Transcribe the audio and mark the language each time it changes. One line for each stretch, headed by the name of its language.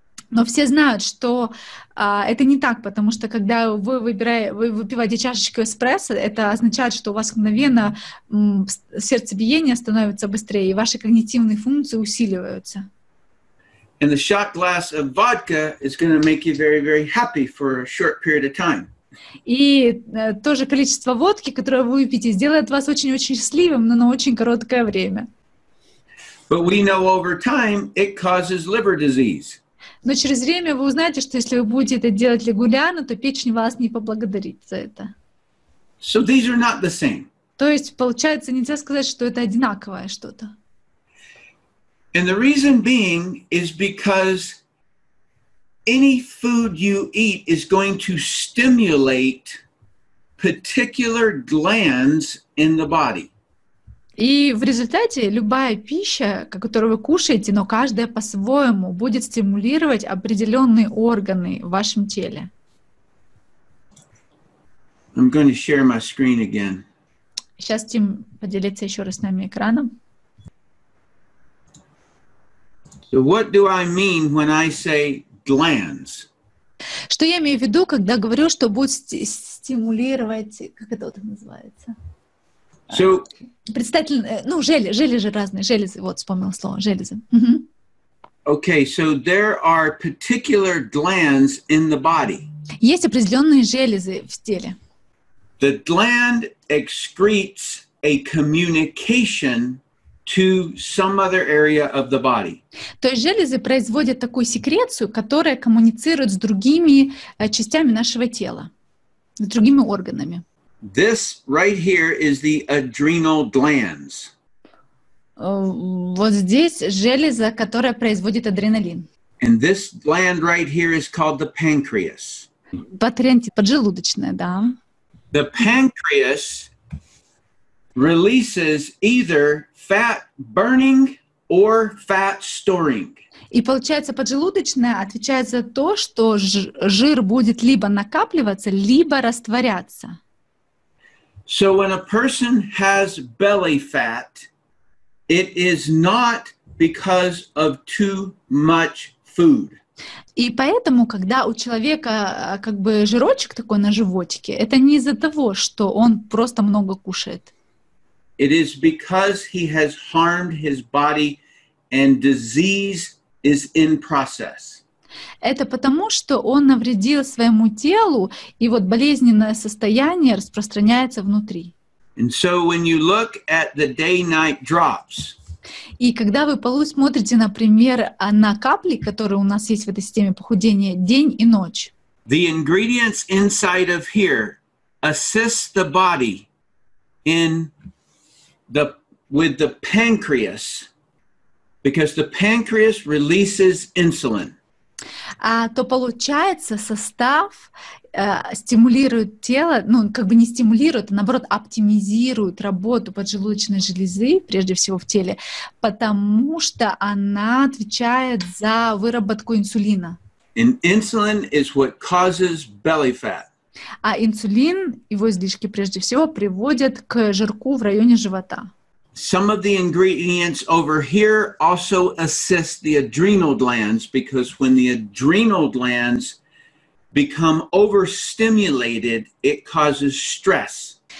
Russian: Но все знают, что это не так, потому что когда вы выпиваете чашечку эспрессо, это означает, что у вас мгновенно сердцебиение становится быстрее, и ваши когнитивные функции усиливаются.
English: And the shot glass of vodka is going to make you very, very happy for a short period of time.
Russian: И то же количество водки, которое вы выпьете, сделает вас очень-очень счастливым, но на очень короткое время.
English: But we know over time it causes liver disease.
Russian: Но через время вы узнаете, что если вы будете это делать регулярно, то печень вас не поблагодарит за это.
English: So these are not the same.
Russian: То есть, получается, нельзя сказать, что это одинаковое что-то.
English: And the reason being is because any food you eat is going to stimulate particular glands in the body.
Russian: И в результате любая пища, которую вы кушаете, но каждая по-своему, будет стимулировать определенные органы в вашем теле.
English: I'm going to share my screen again.
Russian: Сейчас Тим поделится еще раз с нами экраном.
English: So what do I mean when I say glands?
Russian: Что я имею в виду, когда говорю, что будет стимулировать, как это вот называется?
English: So,
Russian: железы разные, железы, вот вспомнил слово, железы.
English: Okay, so there are particular glands in the body.
Russian: Есть определенные железы в теле.
English: The gland excretes a communication to some other area of the body.
Russian: То есть железы производят такую секрецию, которая коммуницирует с другими частями нашего тела, с другими органами.
English: This right here is the adrenal glands.
Russian: Вот здесь железа, которая производит адреналин.
English: And this gland right here is called the pancreas.
Russian: Поджелудочная, да.
English: The pancreas releases either fat burning or fat storing.
Russian: И получается, поджелудочная отвечает за то, что жир будет либо накапливаться, либо растворяться.
English: So when a person has belly fat, it is not because of too much food.
Russian: И поэтому, когда у человека как бы жирочек такой на животике, это не из-за того, что он просто много кушает.
English: It is because he has harmed his body and disease is in process.
Russian: Это потому, что он навредил своему телу, и вот болезненное состояние распространяется внутри.
English: And so when you look at the day-night drops,
Russian: и когда вы смотрите, например, на капли, которые у нас есть в этой системе похудения, день и ночь,
English: the ingredients inside of here assist the body in the with the pancreas, because the pancreas releases insulin.
Russian: То получается, состав стимулирует тело, ну, как бы не стимулирует, а наоборот, оптимизирует работу поджелудочной железы, прежде всего в теле, потому что она отвечает за выработку инсулина.
English: And insulin is what causes belly fat.
Russian: А инсулин, его излишки, прежде всего, приводят к жирку в районе живота.
English: Some of the ingredients over here also assist the adrenal glands, because when the adrenal glands become overstimulated, it causes stress.